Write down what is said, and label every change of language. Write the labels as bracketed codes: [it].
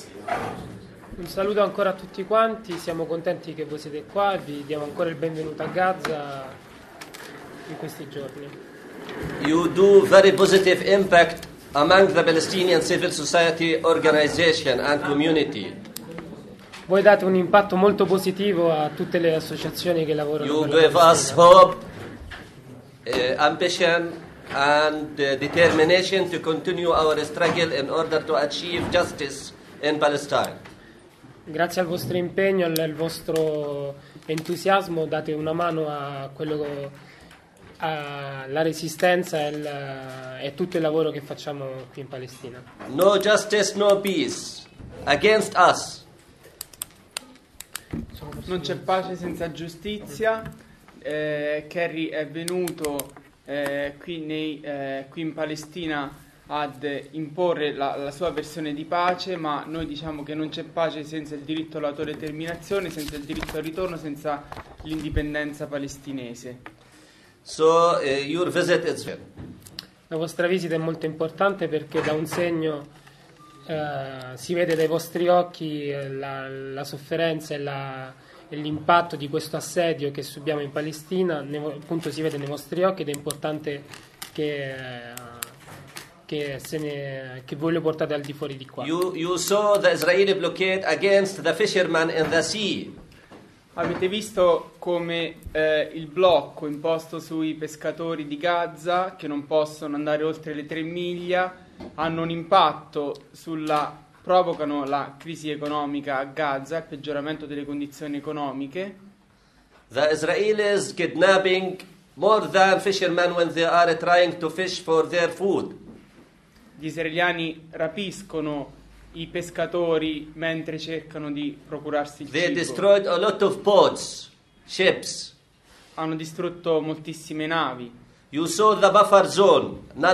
[it] Un saluto ancora a tutti quanti, siamo contenti che voi siete qua e vi diamo ancora il benvenuto a Gaza in questi giorni. [en] You do very positive impact among the Palestinian civil society organization and community. [it] Voi date un impatto molto positivo a tutte le associazioni che lavorano [en] You give us hope, ambition and determination to continue our struggle in order to achieve justice in Palestine. [it] Grazie al vostro impegno e al vostro entusiasmo date una mano a quello alla resistenza e tutto il lavoro che facciamo qui in Palestina. [en] No justice, no peace against us. [it] Non c'è pace senza giustizia. Kerry è venuto qui in Palestina ad imporre la sua versione di pace, ma noi diciamo che non c'è pace senza il diritto all'autodeterminazione, senza il diritto al ritorno, senza l'indipendenza palestinese. [en] So, your visit is here. [it] La vostra visita è molto importante perché da un segno si vede dai vostri occhi la sofferenza e l'impatto di questo assedio che subiamo in Palestina, appunto si vede nei vostri occhi ed è importante che voi lo portate al di fuori di qua. [en] You saw the Israeli blockade against the fishermen in the sea. [it] Avete visto come il blocco imposto sui pescatori di Gaza, che non possono andare oltre le 3 miglia, hanno un impatto provocano la crisi economica a Gaza, il peggioramento delle condizioni economiche. [en] The Israelis kidnapping more than fishermen when they are trying to fish for their food. [it] Gli israeliani rapiscono i pescatori mentre cercano di procurarsi il [en] They [it] cibo. [en] Destroyed a lot of boats, ships. [it] Hanno distrutto moltissime navi. [en] You saw the buffer zone.